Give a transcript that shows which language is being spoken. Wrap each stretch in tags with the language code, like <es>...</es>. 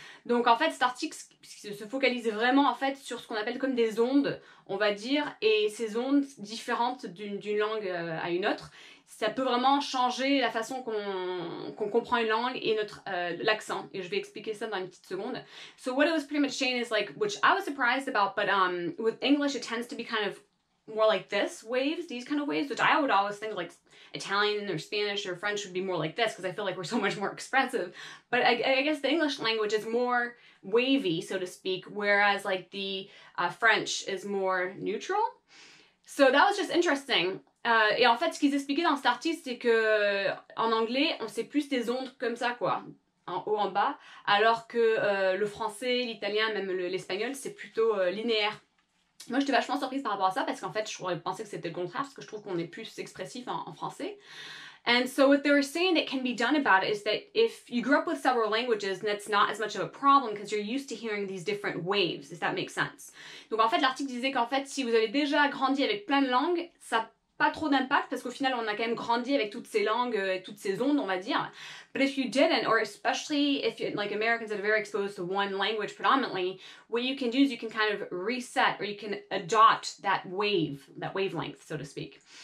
<fr>Donc en fait, cet article se focalise vraiment en fait sur ce qu'on appelle comme des ondes, on va dire, et ces ondes différentes d'une langue à une autre, ça peut vraiment changer la façon qu'on comprend une langue et notre l'accent. Et je vais expliquer ça dans une petite seconde.</fr> <en>So what it was pretty much saying is like, which I was surprised about, but with English it tends to be kind of more like this waves, these kind of waves, which I would always think like Italian or Spanish or French would be more like this because I feel like we're so much more expressive. But I guess the English language is more wavy, so to speak, whereas like the French is more neutral. So that was just interesting.</en> <fr>Et en fait, ce qu'ils expliquaient dans cet article, c'est que en anglais, on sait plus des ondes comme ça, quoi, en haut, en bas, alors que le français, l'italien, même l'espagnol, c'est plutôt linéaire. Moi, j'étais vachement surprise par rapport à ça parce qu'en fait, je pensais que c'était le contraire parce que je trouve qu'on est plus expressif en français.</fr> <en>And so what they were saying that can be done about it is that if you grew up with several languages, that's not as much of a problem because you're used to hearing these different waves, if that makes sense.</en> <fr>Donc en fait, l'article disait qu'en fait, si vous avez déjà grandi avec plein de langues, ça pas trop d'impact parce qu'au final, on a quand même grandi avec toutes ces langues et toutes ces ondes, on va dire.</fr> <en>But if you didn't, or especially if you, like Americans that are very exposed to one language predominantly, what you can do is you can kind of reset or you can adopt that wave, that wavelength, so to speak.</en>